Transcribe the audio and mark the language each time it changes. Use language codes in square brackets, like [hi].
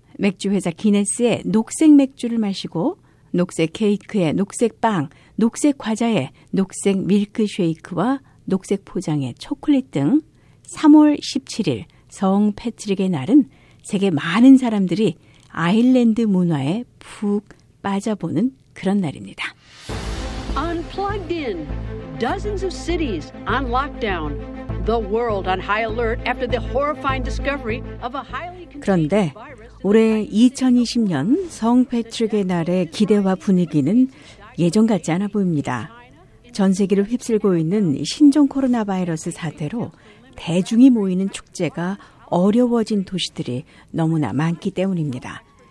[ko] 맥주 회사 기네스의 녹색 맥주를 마시고 녹색 케이크에 녹색 빵, 녹색 과자에 녹색 밀크쉐이크와 녹색 포장의 초콜릿 등 3월 17일 성 패트릭의 날은 세계 많은 사람들이 아일랜드 문화에 푹 빠져보는 그런 날입니다. [en] Unplugged in. Dozens of cities on lockdown. The world on high alert after the horrifying discovery of a highly contagious virus. [ko] 그런데 올해 2020년 성 패트릭의 날의 기대와 분위기는 예전 같지 않아 보입니다. 전 세계를 휩쓸고 있는 신종 코로나 바이러스 사태로 대중이 모이는 축제가 어려워진 도시들이 너무나 많기 때문입니다.